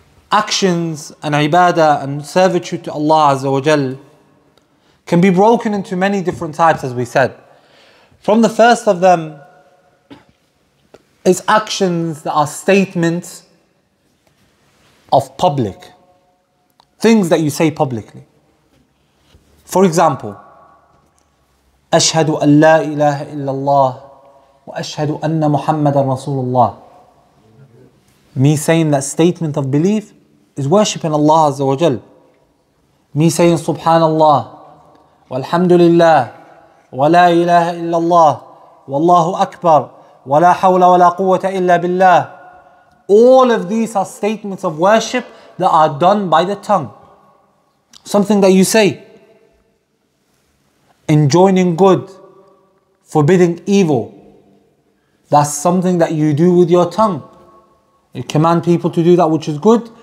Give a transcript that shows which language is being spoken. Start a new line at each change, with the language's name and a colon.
English: Actions and ibadah and servitude to Allah Azza wa Jal can be broken into many different types, as we said. From the first of them, is actions that are statements of public. Things that you say publicly.
Arabic: For example, أشهد أن لا إله إلا الله وأشهد أن محمد رسول الله.
English: Me saying that statement of belief is worshipping Allah Azza wa Jal. Me saying
Arabic: Subhanallah والحمد لله ولا إله إلا الله والله أكبر وَلَا حَوْلَ وَلَا قُوَّةَ إِلَّا بِاللَّهِ.
English: All of these are statements of worship that are done by the tongue. Something that you say. Enjoining good, forbidding evil. That's something that you do with your tongue. You command people to do that which is good.